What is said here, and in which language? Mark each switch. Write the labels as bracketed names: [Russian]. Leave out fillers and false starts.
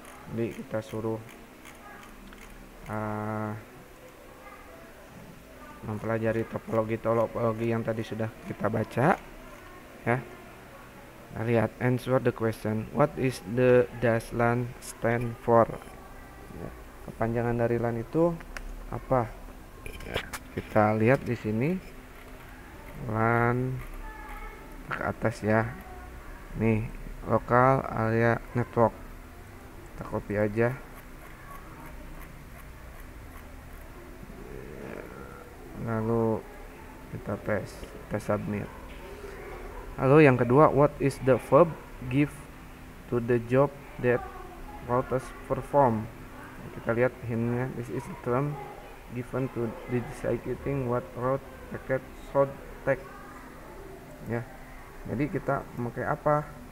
[Indonesian] Jadi kita suruh mempelajari topologi-topologi yang tadi sudah kita baca ya. Nah, lihat, [English] answer the question, what is the does LAN stand for? [Indonesian] Ya, kepanjangan dari LAN itu apa? Ya, kita lihat di sini LAN ke atas ya. Nih, local area network. Kita copy aja. Lalu kita paste, kita submit. Lalu yang kedua, [English] what is the verb give to the job that routers perform? [Indonesian] Kita lihat hint-nya, [English] this is the term given to designating what route packet should take. [Indonesian] Ya, jadi kita memakai apa?